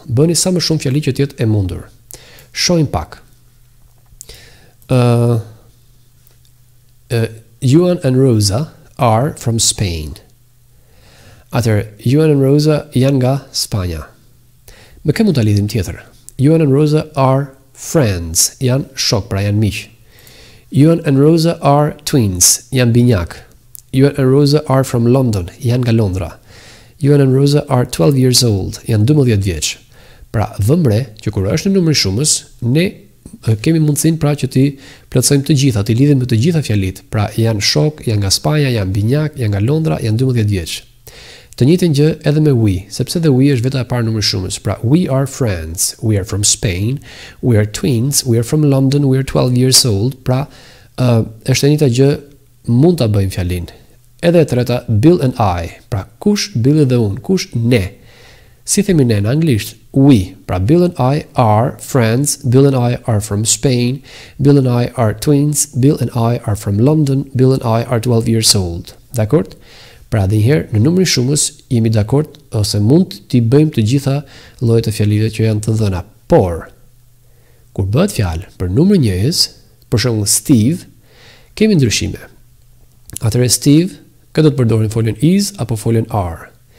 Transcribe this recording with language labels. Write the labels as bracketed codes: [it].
[sq] Bëni sa më shumë fjali që të jetë e mundur. Shohim pak. [en] Juan and Rosa are from Spain. [sq] Atëherë, Juan and Rosa janë nga Spanja. Me kë mund ta lidhim tjetër? [en] Juan and Rosa are friends, [sq] janë shok, pra janë miq. [en] Juan and Rosa are twins, [sq] janë binjak. [en] Juan and Rosa are from London, [sq] janë nga Londra. [en] Juan and Rosa are 12 years old, [sq] janë 12 vjeç. Pra vëmre, që kur është në numrin shumës, ne kemi mundësinë pra që ti plotësojmë të gjitha, ti lidhim me të gjitha fjalitë. Pra janë shok, janë nga Spanja, janë binjak, janë nga Londra, janë 12 vjeç. Të njëjtën gjë edhe me we, sepse the we është veta e parë numri shumës. Pra [en] we are friends, we are from Spain, we are twins, we are from London, we are 12 years old. [sq] Pra është e njëjta gjë, mund ta bëjmë fjalin. Edhe e treta Bill and I. Pra kush Billi dhe unë, kush ne? Si themi ne në anglisht? We. [en] Pra Bill and I are friends, Bill and I are from Spain, Bill and I are twins, Bill and I are from London, Bill and I are 12 years old. [sq] Dakord? Pra dhe njëherë, në numërin shumës, jemi dakord ose mund t'i bëjmë të gjitha llojet e fjalive që janë të dhëna. Por, kur bëhet fjalë për numër njëjës, për shembull Steve, kemi ndryshime. Atëherë Steve, këtë do të përdorim foljen is apo foljen are.